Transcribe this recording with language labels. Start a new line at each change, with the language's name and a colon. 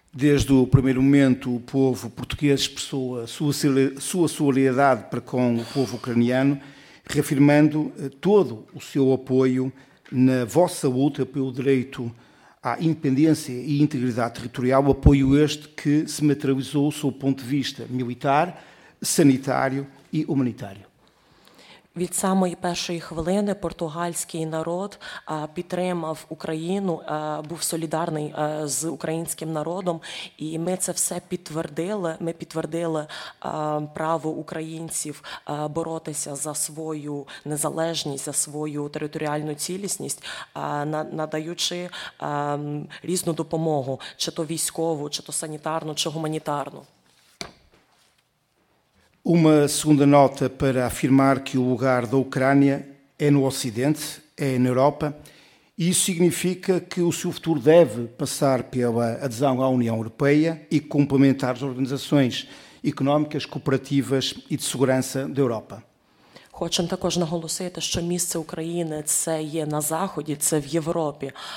Portuguese: Desde o primeiro momento, o povo português expressou a sua solidariedade para com o povo ucraniano, reafirmando todo o seu apoio na vossa luta pelo direito à independência e integridade territorial, apoio este que se materializou sob o ponto de vista militar, sanitário e humanitário.
Ukrainian: Від самої першої хвилини португальський народ підтримав Україну, був солідарний з українським народом, і ми це все підтвердили. Ми підтвердили право українців боротися за свою незалежність, за свою територіальну цілісність, надаючи різну допомогу, чи то військову, чи то санітарну, чи гуманітарну.
Portuguese: Uma segunda nota para afirmar que o lugar da Ucrânia é no Ocidente, é na Europa, e isso significa que o seu futuro deve passar pela adesão à União Europeia e complementar as organizações económicas, cooperativas e de segurança da Europa.
Ukrainian: Хочемо також наголосити, що місце України – це є на Заході, це в Європі.